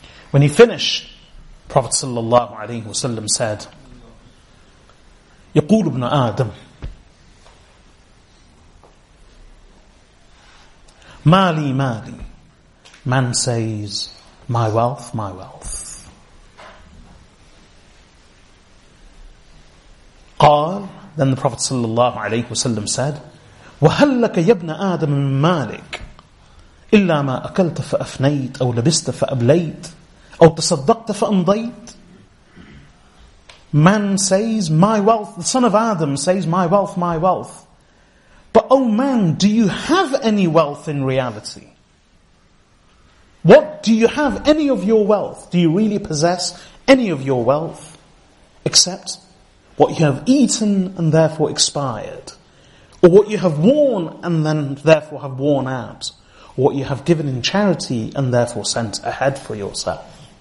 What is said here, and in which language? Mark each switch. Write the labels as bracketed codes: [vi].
[en] When he finished, Prophet sallallahu alayhi wa sallam said, [ar] Yaqul ibn Adam, Mali, Mali. [en] Man says, my wealth, my wealth. [ar] Qal, [en] then the Prophet sallallahu alayhi wa sallam said, [ar] وَهَلْ لَكَ يَبْنَ آدَمٍ مِنْ مَالِكَ إِلَّا مَا أَكَلْتَ فَأَفْنَيْتَ أَوْ لَبِسْتَ فَأَبْلَيْتَ أَوْ تَصَدَّقْتَ فَأَمْضَيْتَ. [en] Man says, my wealth, the son of Adam says, my wealth, my wealth. But oh man, do you have any wealth in reality? What do you have, any of your wealth? Do you really possess any of your wealth except what you have eaten and therefore expired, or what you have worn and then therefore have worn out, or what you have given in charity and therefore sent ahead for yourself?